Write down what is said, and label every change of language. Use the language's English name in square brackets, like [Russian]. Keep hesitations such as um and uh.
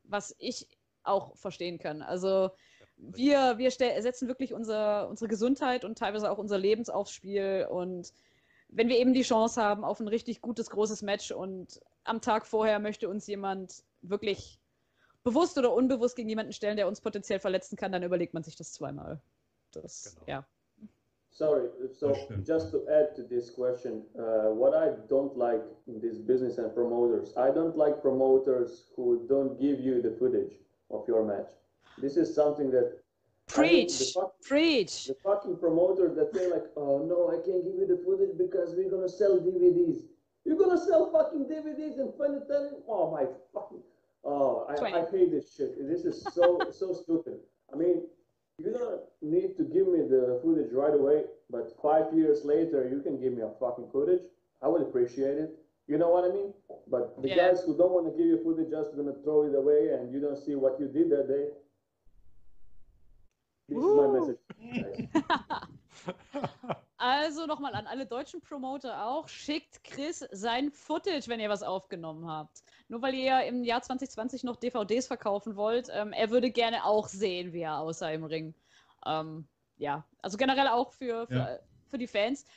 [German] Was ich auch verstehen kann. Also wir, wir setzen wirklich unsere, unsere, Gesundheit und teilweise auch unser Leben aufs Spiel. Und wenn wir eben die Chance haben auf ein richtig gutes, großes Match und am Tag vorher möchte uns jemand wirklich bewusst oder unbewusst gegen jemanden stellen, der uns potenziell verletzen kann, dann überlegt man sich das zweimal. Das, genau. ja. [English] Sorry, so just to add to this question, uh, what I don't like in this business and promoters, I don't like promoters who don't give you the footage of your match. this is something that preach I mean, the fucking, preach the fucking promoter that they're like oh no i can't give you the footage because we're gonna sell dvds you're gonna sell fucking dvds in 2010 oh my fucking oh I, I, hate this shit this is so so stupid i mean you don't need to give me the footage right away but five years later you can give me a fucking footage i would appreciate it you know what i mean but the yeah. guys who don't want to give you footage just gonna throw it away and you don't see what you did that day Uh. [German] also nochmal an alle deutschen Promoter auch, schickt Chris sein Footage, wenn ihr was aufgenommen habt. Nur weil ihr im Jahr 2020 noch DVDs verkaufen wollt, ähm, er würde gerne auch sehen, wie er außer im Ring. Ähm, ja, also generell auch für, für, ja. für die Fans.